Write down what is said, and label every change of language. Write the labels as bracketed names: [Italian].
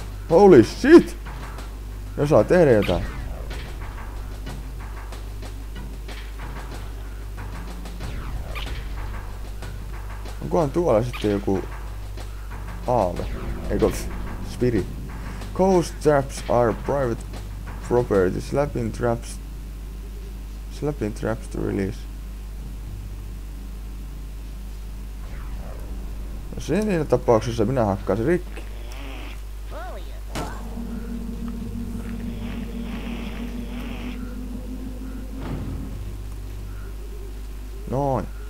[English] Holy shit! [Finnish] Ne osaa tehdä jotain. Onkohan tuolla sitten joku aave. Eikö spiri. [English] Ghost traps are private property. Slapping traps to release. [Finnish] No siinä tapauksessa minä hakkaisin rikki. Noin.